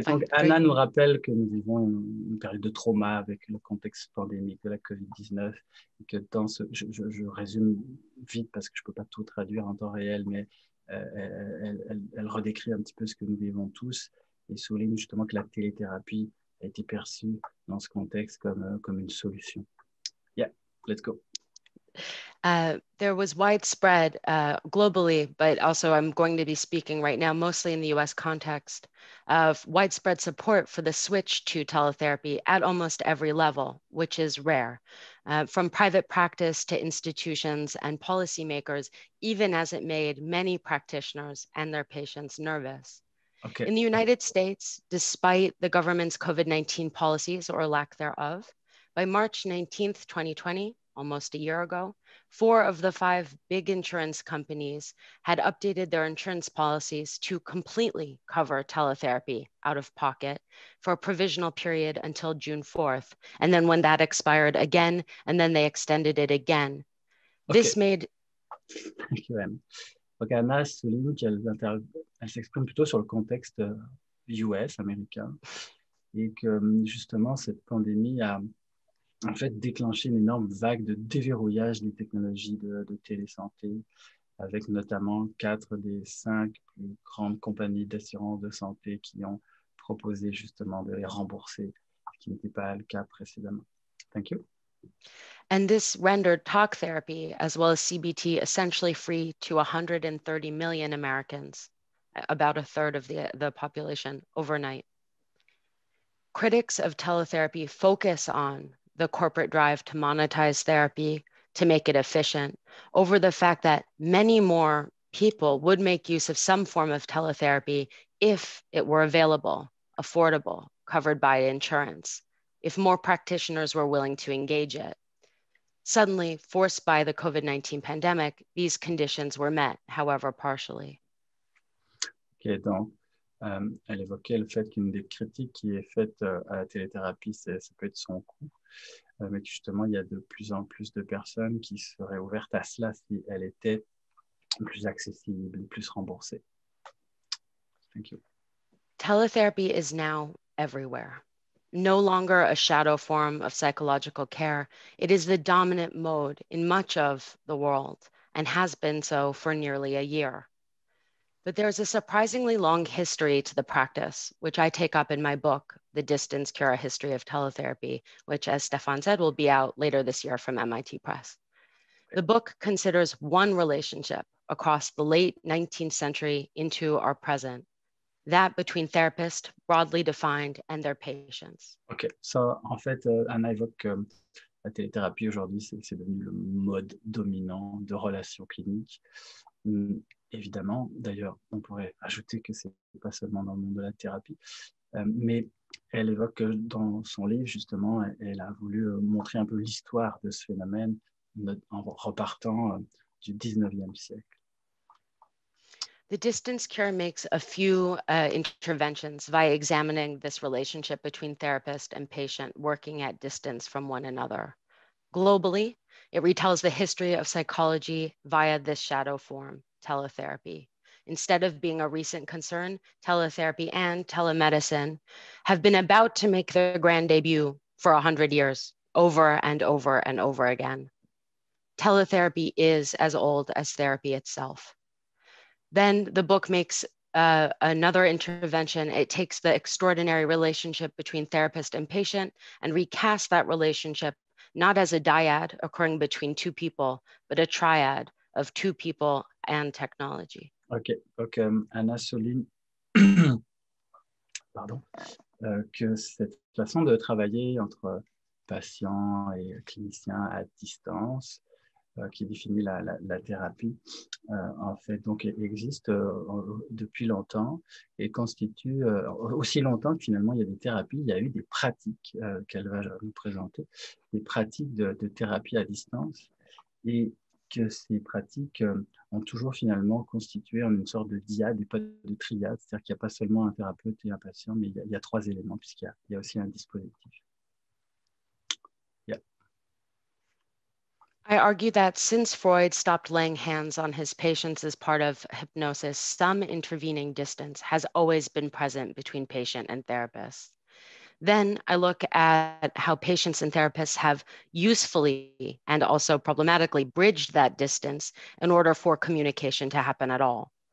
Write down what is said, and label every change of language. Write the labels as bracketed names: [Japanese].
[French] donc Anna nous rappelle que nous vivons une période de trauma avec le contexte pandémique de la COVID-19 et que dans ce, je résume vite parce que je peux pas tout traduire en temps réel, mais elle redécrit un petit peu ce que nous vivons tous et souligne justement que la télétherapie a été perçue dans ce contexte comme une solution. [English] Yeah, let's go. There was widespread globally, but also I'm going to be speaking right now mostly in the US context, of widespread support for the switch to teletherapy at almost every level, which is rare, from private practice to institutions and policymakers, even as it made many practitioners and their patients nervous. Okay. In the United States, despite the government's COVID-19 policies or lack thereof, by March 19th, 2020, almost a year ago, four of the five big insurance companies had updated their insurance policies to completely cover teletherapy out of pocket for a provisional period until June 4th. And then when that expired again, and then they extended it again. Okay. This made... Thank you, Anna. [French] Okay, Anna souligne qu'elle s'exprime plutôt sur le contexte US, américain, et que justement cette pandémie a... en fait, déclencher une énorme vague de déverrouillage des technologies de télésanté, avec notamment 4 des 5 plus grandes compagnies d'assurance de santé qui ont proposé justement de les rembourser, ce qui n'était pas le cas précédemment. [English] Thank you. And this rendered talk therapy as well as CBT essentially free to 130 million Americans, about a third of the population, overnight. Critics of teletherapy focus on the corporate drive to monetize therapy, to make it efficient, over the fact that many more people would make use of some form of teletherapy if it were available, affordable, covered by insurance, if more practitioners were willing to engage it. Suddenly, forced by the COVID-19 pandemic, these conditions were met, however partially. [French] Okay, donc. Elle évoquait le fait qu'une des critiques qui est faite à la téléthérapie, ça peut être son coût, mais justement, il y a de plus en plus de personnes qui seraient ouvertes à cela si elle était plus accessible, plus remboursée. [English] Thank you. Teletherapy is now everywhere. No longer a shadow form of psychological care, it is the dominant mode in much of the world and has been so for nearly a year. But there's a surprisingly long history to the practice, which I take up in my book, The Distance Cure, A History of Teletherapy, which, as Stefan said, will be out later this year from MIT Press. The book considers one relationship across the late 19th century into our present, that between therapists, broadly defined, and their patients. [French] Okay, so en fait, Anna évoque la télétherapie aujourd'hui, c'est devenu le mode dominant de relations cliniques. Évidemment, d'ailleurs, on pourrait ajouter que ce n'est pas seulement dans le monde de la thérapie, mais elle évoque que dans son livre, justement, elle a voulu montrer un peu l'histoire de ce phénomène en repartant du 19e siècle. [English] The distance cure makes a few interventions via examining this relationship between therapist and patient working at distance from one another. Globally, it retells the history of psychology via this shadow form, teletherapy. Instead of being a recent concern, teletherapy and telemedicine have been about to make their grand debut for 100 years, over and over and over again. Teletherapy is as old as therapy itself. Then the book makes another intervention. It takes the extraordinary relationship between therapist and patient and recasts that relationship not as a dyad occurring between two people, but a triad of two people and technology. Okay. Okay. [French] Anna souligne pardon, que cette façon de travailler entre patients et cliniciens à distance qui définit la thérapie, en fait, donc existe depuis longtemps et constitue aussi longtemps que finalement il y a des thérapies, il y a eu des pratiques qu'elle va nous présenter, des pratiques de thérapie à distance, et que ces pratiques ont toujours finalement constitué en une sorte de dyade et pas de triade, c'est-à-dire qu'il n'y a pas seulement un thérapeute et un patient, mais il y a trois éléments puisqu'il y a aussi un dispositif. [English] I argue that since Freud stopped laying hands on his patients as part of hypnosis, some intervening distance has always been present between patient and therapist. Then I look at how patients and therapists have usefully and also problematically bridged that distance in order for communication to happen at all.